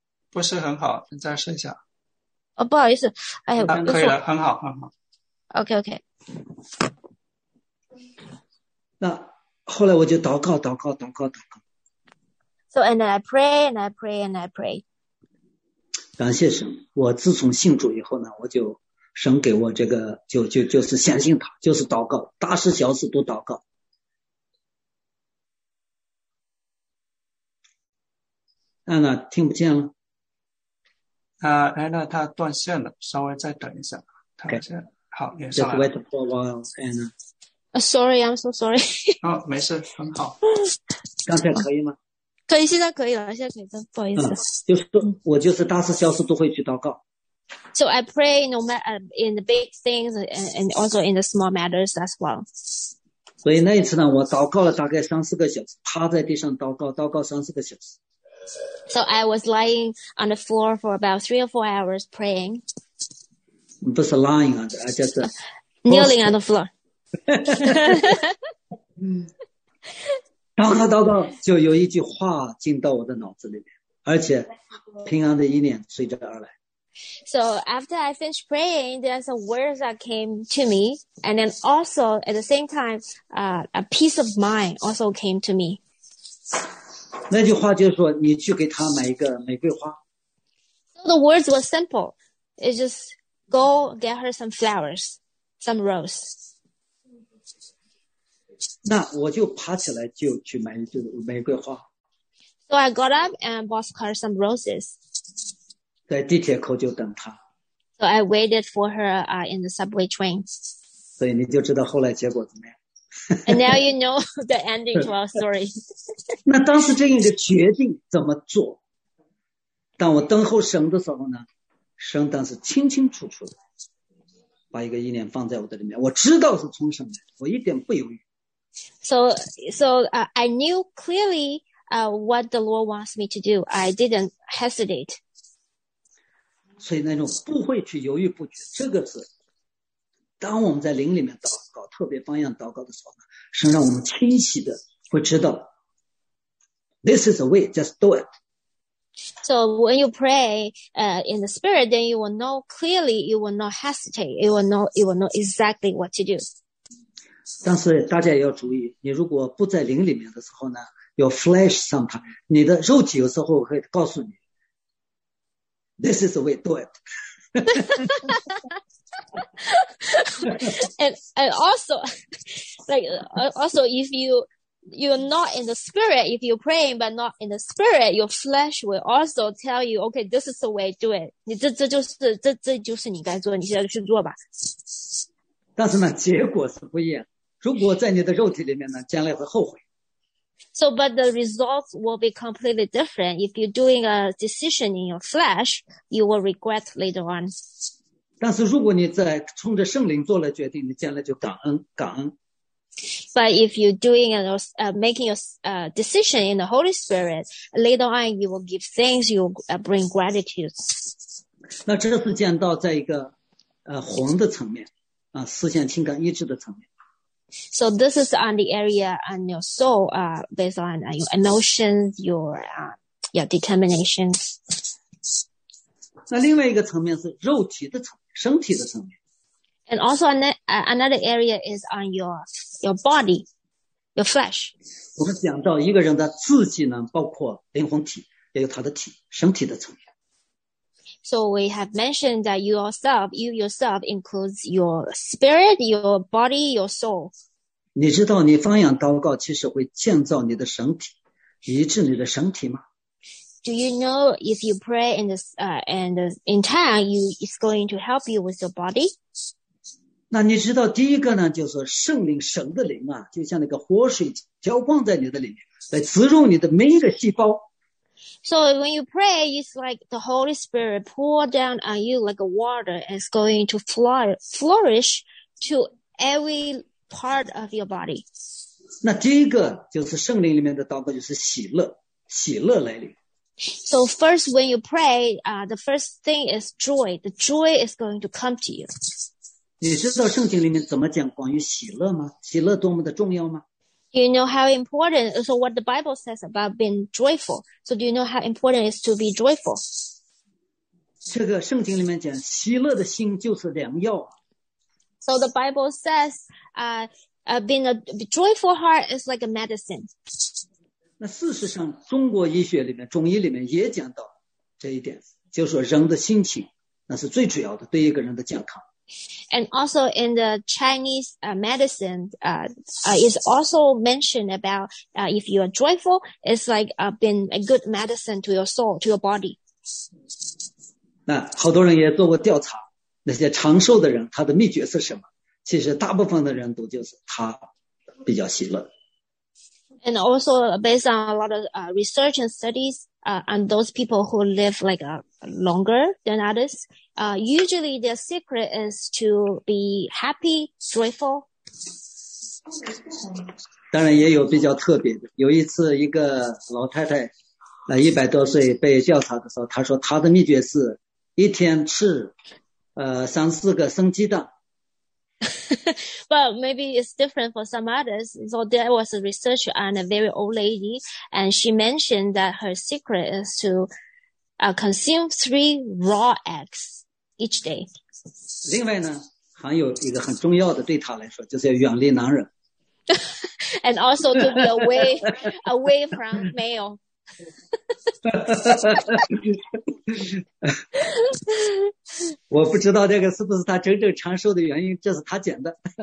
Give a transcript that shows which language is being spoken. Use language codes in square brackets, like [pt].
[zh] 不是很好，你再试一下。哦，不好意思，哎呀，可以了，很好。 OK。那后来我就祷告，祷告，祷告，祷告。 [en] So and I pray and I pray and I pray. [zh] 感谢神，我自从信主以后呢，我就神给我这个就是相信他，就是祷告，大事小事都祷告。安娜听不见了。安娜她断线了，稍微再等一下。 Okay. 好，也是。 [en] Just wait for a while, Anna. Sorry, I'm so sorry. [zh] 没事，很好。刚才可以吗？可以，现在可以了，现在可以了，不好意思。就是我就是大事小事都会去祷告。 [en] So I pray no matter in the big things and also in the small matters as well. [zh] 所以那一次呢，我祷告了大概三四个小时，趴在地上祷告，祷告三四个小时。 [en] So I was lying on the floor for about 3 or 4 hours praying. [zh] 不是 [en] lying on, I just kneeling on the floor. [zh] 祷告祷告，就有一句话进到我的脑子里面，而且平安的意念随之而来。 [en] So after I finished praying, there's a word that came to me. And then also, at the same time, a peace of mind also came to me. [zh] 那句话就是说，你去给他买一个玫瑰花。 [en] So the words were simple. It's just, go get her some flowers, some rose. [zh] 那我就爬起来就去买一个玫瑰花。 [en] So I got up and bought her some roses. [zh] 在地铁口就等他。 [en] So I waited for her, in the subway train. [zh] 所以你就知道后来结果怎么样。 [en] And now you know the ending to our story. [zh] 那当时这样的决定怎么做？当我等候神的时候呢，神当时清清楚楚的把一个意念放在我的里面，我知道是从神来的，我一点不犹豫。 [en] So, I knew clearly, what the Lord wants me to do. I didn't hesitate. [zh] 所以那种不会去犹豫不决，这个是当我们在灵里面祷告，特别方向祷告的时候，是让我们清晰的会知道 [en] This is the way, just do it. So when you pray, in the spirit, then you will know clearly, you will not hesitate, you will know exactly what to do. [zh] 但是大家也要注意，你如果不在灵里面的时候呢， [en] your flesh sometimes, [zh] 你的肉体有时候会告诉你 [en] This is the way, do it. and also, also if you're not in the spirit, if you're praying but not in the spirit, your flesh will also tell you, okay, this is the way, do it. [zh] 这就是你该做，你现在去做吧。但是呢，结果是不一样。如果在你的肉体里面呢，将来会后悔。 [en] So, but the results will be completely different. If you're doing a decision in your flesh, you will regret later on. [zh] 但是如果你在冲着圣灵做了决定，你将来就感恩感恩。 [en] But if you're doing a making a decision in the Holy Spirit, later on you will give thanks. You will bring gratitude. [zh] 那这次见到在一个魂的层面啊，思想情感意志的层面。 [en] So this is on the area on your soul, based on your emotions, your determination. [zh] 那另外一个层面是肉体的层面，身体的层面。 [en] And also another area is on your body, your flesh. [zh] 我们讲到一个人的自己呢，包括灵魂体，也有他的体，身体的层面。 [en] So we have mentioned that yourself, you yourself includes your spirit, your body, your soul. [zh] 你知道你方言祷告其实会建造你的身体，医治你的身体吗？ [en] Do you know if you pray in this, and in time, you, it's going to help you with your body? [zh] 那你知道第一个呢，就是圣灵神的灵啊，就像那个活水浇灌在你的里面，来滋润你的每一个细胞。 [en] So when you pray, it's like the Holy Spirit pour down on you like a water and it's going to flourish to every part of your body. [zh] 那第一个就是圣灵里面的祷告就是喜乐，喜乐来临。 [en] So first when you pray, the first thing is joy. The joy is going to come to you. [zh] 你知道圣经里面怎么讲关于喜乐吗？喜乐多么的重要吗？ [en] You know how important, so what the Bible says about being joyful. So do you know how important it is to be joyful? [zh] 这个圣经里面讲，喜乐的心就是良药。 [en] So the Bible says, being a joyful heart is like a medicine. [zh] 那事实上，中国医学里面，中医里面也讲到这一点，就是说人的心情，那是最主要的，对一个人的健康。 [en] And also in the Chinese medicine, is also mentioned about if you are joyful, it's like being a good medicine to your soul, to your body. [zh] 那好多人也做过调查，那些长寿的人，他的秘诀是什么？其实大部分的人都就是他比较喜乐。 [en] And also based on a lot of research and studies, on those people who live like longer than others, Usually their secret is to be happy, joyful. [zh] 当然也有比较特别的，有一次一个老太太100多岁被调查的时候，她说她的秘诀是一天吃3-4个生鸡蛋。 [en] Well, maybe it's different for some others. So there was a research on a very old lady, and she mentioned that her secret is to consume 3 raw eggs each day. [zh] 另外呢，还有一个很重要的，对她来说，就是要远离男人。 [en] And also to be away, away from male. [zh] 我不知道这个是不是她真正长寿的原因，这是她讲的。